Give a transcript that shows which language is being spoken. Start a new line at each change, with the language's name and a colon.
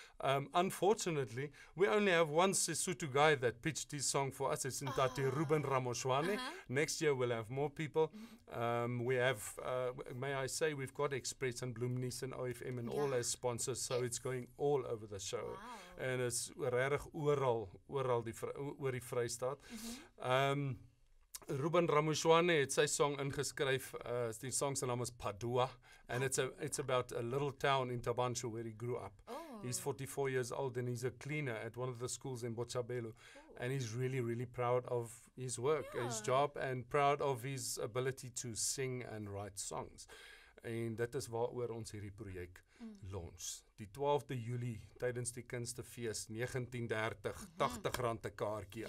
English: Unfortunately, we only have one Sesotho guy that pitched his song for us. It's Ntate Ruben Ramoswane. Uh-huh. Next year, we'll have more people. We have, may I say, we've got Express and Bloom Nice and OFM and all as sponsors, so it's going all over the show. Wow. And it's
Afrikaans: regtig oral die oor die Vrystaat.
English: Ruben Ramoswane
Afrikaans: het sy song ingeskryf, die song se naam is Padua,
English: and it's about a little town in Tabancho where he grew up. He's 44 years old and he's a cleaner at one of the schools in Botshabelo. And he's really, really proud of his work, his job, and proud of his ability to sing and write songs.
Afrikaans: En dit is waaroor ons hierdie projek launch. Die 12de Julie tydens die Kunstefees 19:30 R80 'n kaartjie.